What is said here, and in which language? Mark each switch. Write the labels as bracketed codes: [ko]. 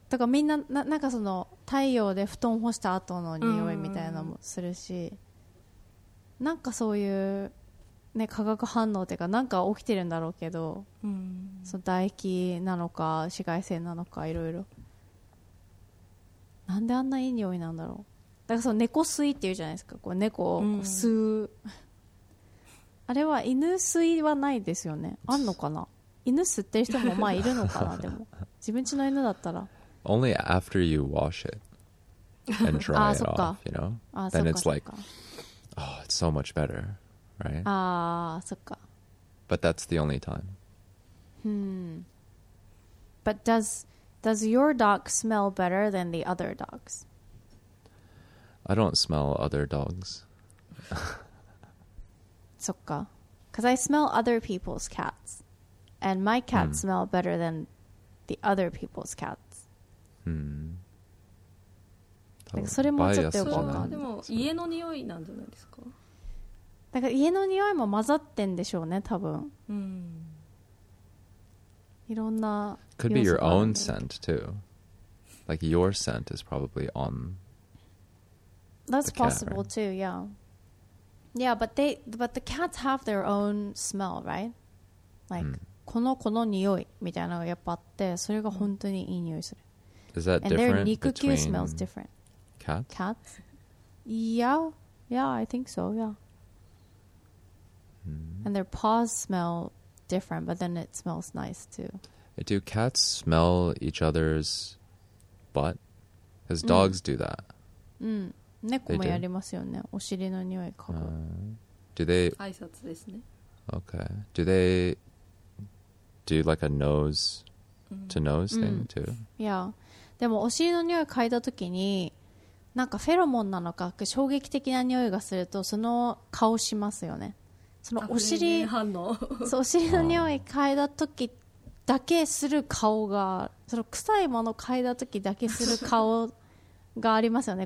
[ja] とかみんな なんかその太陽で布団干した後の匂いみたいなのもするし、なんかそういう、ね、化学反応というかなんか起きてるんだろうけど、その唾液なのか紫外線なのかいろいろ、なんであんないい匂いなんだろう。だからその猫吸いっていうじゃないですか、こう猫を吸う、あれは犬吸いはないですよね。あんのかな、犬吸ってる人もまあいるのかな。でも自分家の犬だったら [en] Only after you wash it and dry it off, you know, then it's like, oh, it's so much better, right? [ja] ああ、そっか。 [en] But that's the only time. Hmm. but does your dog smell better than the other dogs? I don't smell other dogs. [ja] そっか。 [en] Because I smell other people's cats. And my cat smell better than the other people's cats. [ja] なんかそれもちょっとよくない。でも家の匂いなんじゃないですか。だから家の匂いも混ざってんでしょうね、多分。いろんな。 [en] Could be your own scent too. Like your scent is probably on. That's possible too. Yeah. Yeah, but they, but the cats have their own smell, right? Like. [ja] この子の匂いみたいなのがやっぱあって、それが本当にいい匂いする。 [en] Is that different? And their 肉球 smells different. Cats? Cats? Yeah, yeah, I think so, yeah. And their paws smell different, but then it smells nice too. Do cats smell each other's butt? Because dogs do that. [ja] うん、猫もやりますよね。お尻の匂い嗅ぐ。 [en] Do they... [ja] 挨拶ですね。 [en] Okay. Do they... Do you like a nose to nose thing too? Yeah. [ja] でもお尻の匂い嗅いだときに、なんかフェロモンなのか衝撃的な匂いがするとその顔しますよね。そのお尻反応。そうお尻の匂い嗅いだときだけする顔が、その臭いもの嗅いだときだけする顔がありますよね。